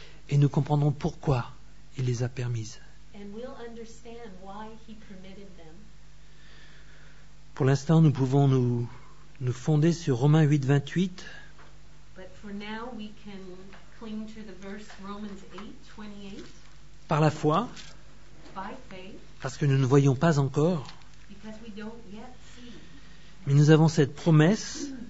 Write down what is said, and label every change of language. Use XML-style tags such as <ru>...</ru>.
<fr>et nous comprendrons pourquoi il les a permises.</fr> <en>And we'll understand why he permitted them.</en> <fr>Pour l'instant, nous pouvons nous fonder sur Romains 8:28.</fr> <en>But for now, we can cling to the verse Romans 8:28.</en> <fr>Par la foi.</fr> <en>By faith.</en> <fr>Parce que nous ne voyons pas encore.</fr> <en>Because we don't yet see.</en> <fr>Mais nous avons cette promesse.</fr>